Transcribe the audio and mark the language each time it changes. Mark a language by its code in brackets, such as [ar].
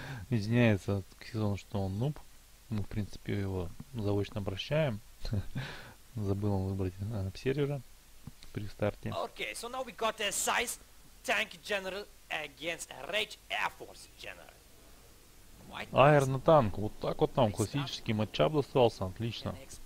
[ru] Извиняется к сезону, что он нуб. Мы, в принципе, его заочно обращаем. Забыл он выбрать обсервера при старте. [en] Okay, so now we got a size tank general against a Rage Air Force general. [ru] Айр на танк. Вот так вот там классический матчап достался. Отлично.